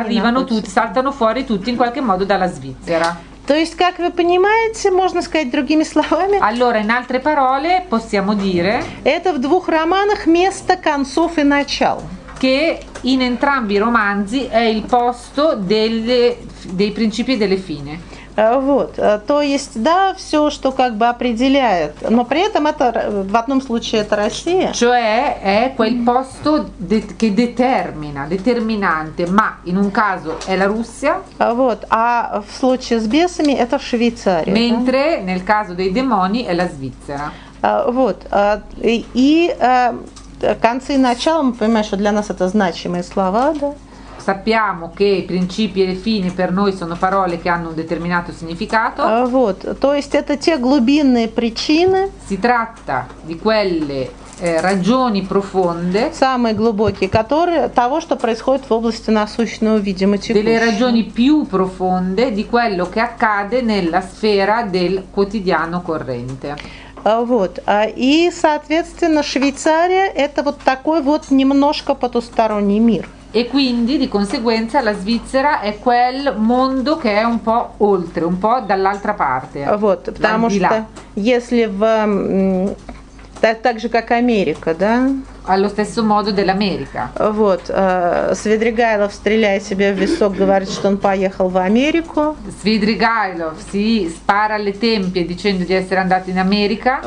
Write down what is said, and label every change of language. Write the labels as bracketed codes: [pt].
[it] Arrivano tutti, saltano fuori tutti in qualche modo dalla Svizzera. [ru] То есть, как вы понимаете, можно сказать другими словами? [it] Allora, in altre parole, possiamo dire? [ru] Это в двух романах место концов и начал. [it] Che in entrambi i romanzi è il posto delle, dei principi e delle fine. [ru] Вот, то есть, да, все, что как бы определяет, но при этом это в одном случае это Россия. [it] Cioè, è quel posto che determina, determinante, ma in un caso è la Russia. [ru] Вот, а в случае с бесами это Швейцария. [it] Mentre nel caso dei demoni è la Svizzera. [ru] Вот, и концы и начало, мы понимаем, что для нас это значимые слова, да? [it] Sappiamo che i principi e le fine per noi sono parole che hanno un determinato significato. [ru] Вот, то есть это те глубинные причины. [it] Si tratta di quelle ragioni profonde. [ru] Самые глубокие, которые того, что происходит в области насущного, видимо, текущего. [it] Delle ragioni più profonde di quello che accade nella sfera del quotidiano corrente. [ru] Вот, и соответственно Швейцария это вот такой вот немножко потусторонний мир. [it] E quindi di conseguenza la Svizzera è quel mondo che è un po' oltre, un po' dall'altra parte. [ru] Вот, потому что если в так же как Америка, да? [it] Allo stesso modo dell'America. [ru] Вот, Свидригайлов стреляет себе в висок, говорит, что он поехал в Америку. [it] Свидригайлов si spara alle tempie dicendo di essere andato in America.